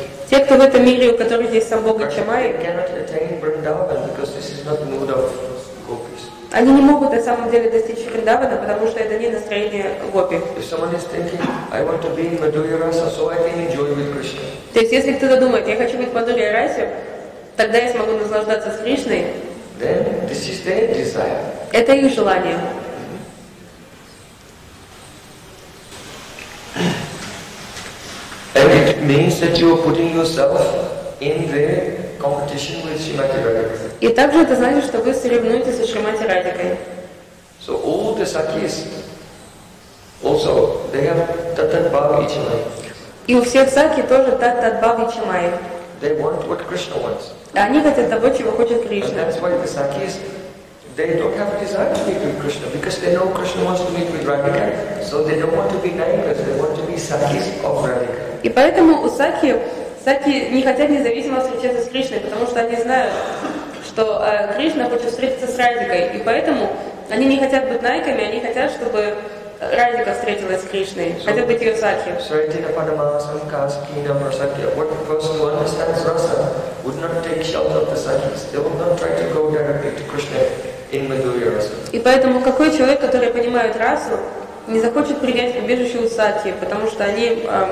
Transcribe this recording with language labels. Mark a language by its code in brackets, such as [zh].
[ru] Те, кто в этом мире, у которых есть Самбоги Чамайи, [en] cannot attain Vrindavan because this is not the mood of gopis. [ru] Они не могут на самом деле достичь Вриндавана, потому что это не настроение гопи. [en] If someone is thinking, I want to be in Madhurya Rasa, so I can enjoy with Krishna. [ru] То есть, если кто-то думает, я хочу быть в Мадхурья Расе, тогда я смогу наслаждаться с Кришной. [en] Then this is their desire. [ru] Это их желание. [en] And it means that you are putting yourself in the competition with Shrimati Radhika. [ru] И также это значит, что вы соревнуетесь со Шримати Радикой. [en] So all the sakis, also they have tat-tat-bhav-ichimai. [ru] И у всех саки тоже tat-tat-bhav-ichimai. [en] They want what Krishna wants. [ru] Они хотят того, чего хочет Кришна. [en] And that's why the sakis, they don't have a desire to meet with Krishna because they know Krishna wants to meet with Radhika. So they don't want to be naikas, they want to be sakis of Radhika. [ru] И поэтому у саки не хотят независимо встречаться с Кришной, потому что они знают, что Кришна хочет встретиться с Радикой. И поэтому они не хотят быть найками, они хотят, чтобы Радика встретилась с Кришной, [en] so, [ru] хотят быть ее саки. [sa] Саритина Падамаласан Каскина Марсакья. [en] What person who understands rasa would not take shelter of the sakis. They would not try to go directly to Krishna in Madhurya rasa. [ru] И поэтому какой человек, который понимает расу, не захочет принять убежище у саки, потому что они...